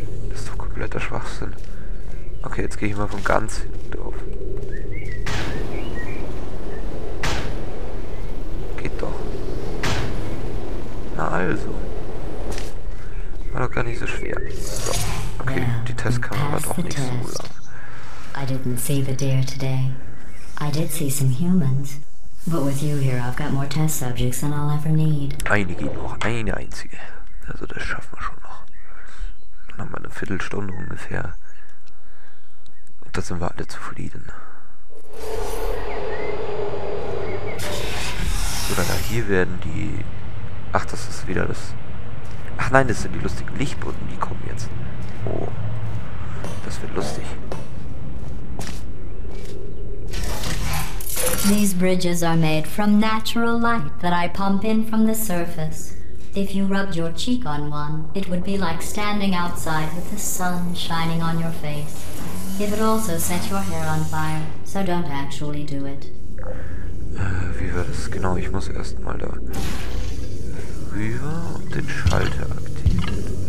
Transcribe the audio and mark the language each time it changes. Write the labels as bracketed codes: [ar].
[de] Das ist doch kompletter Schwachsinn. Okay, jetzt gehe ich mal von ganz hinten drauf. Geht doch. Na also. War doch gar nicht so schwer. So. Okay, die Testkammer war doch nicht so lang. [en] I didn't see the deer today. I did see some humans. But with you here, I've got more test subjects than I'll ever need. [de] Eine geht noch, eine einzige. Also das schaffen wir schon noch. Dann haben wir eine Viertelstunde ungefähr. Und da sind wir alle zufrieden. So, dann hier werden die... Ach, das ist wieder das... Ach nein, das sind die lustigen Lichtbutton, die kommen jetzt. Oh, das wird lustig. [en] These bridges are made from natural light that I pump in from the surface. If you rubbed your cheek on one, it would be like standing outside with the sun shining on your face. It would also set your hair on fire, so don't actually do it. [de] Wie war das? Genau, ich muss erst mal da rüber und den Schalter aktivieren.